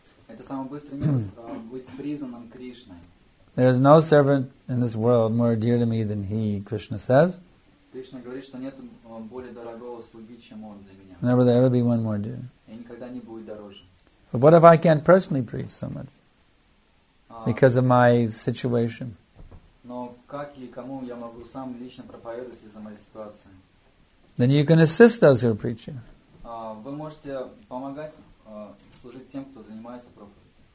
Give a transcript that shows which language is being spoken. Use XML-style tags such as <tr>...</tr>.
<ru>Это самый быстрый метод быть признанным Кришной.</ru> <en>There is no servant in this world more dear to me than he, Krishna says.</en> <ru>Кришна говорит, что нет более дорогого слуги, чем он для меня.</ru> <en>Never will there be one more dear.</en> <ru>И никогда не будет дороже.</ru> <en>But what if I can't personally preach so much? Because of my situation.</en> <ru>Но как и кому я могу сам лично проповедовать из-за моей ситуации?</ru> <en>Then you can assist those who are preaching.</en> <ru>Вы можете помогать служить тем, кто занимается проповедью.</ru>